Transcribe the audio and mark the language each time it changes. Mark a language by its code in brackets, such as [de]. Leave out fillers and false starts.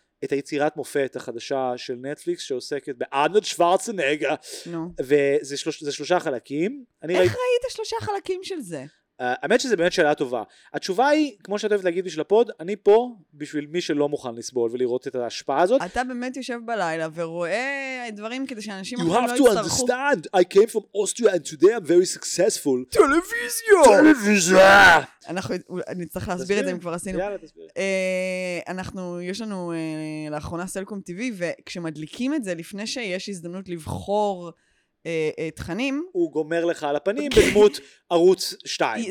[he] את היצירת מופת החדשה של נטפליקס שעוסקת בארנולד שוורצנגר. נו. וזה שלושה חלקים. איך ראית שלושה חלקים של זה? האמת שזה באמת שאלה טובה. התשובה היא, כמו שאת אוהבת להגיד בשביל הפוד, אני פה בשביל מי שלא מוכן לסבול ולראות את ההשפעה הזאת. אתה באמת יושב בלילה ורואה דברים כדי שאנשים אחרים לא יצטרכו. [en] You have to understand, I came from Austria and today I'm very successful. [he] טלוויזיה! טלוויזיה! אנחנו נצטרך להסביר את זה אם כבר עשינו. יאללה, תסביר. אנחנו, יש לנו לאחרונה סלקום טיווי, וכשמדליקים את זה, לפני שיש הזדמנות לבחור תכנים. הוא גומר לך על הפנים בדמות ערוץ 2.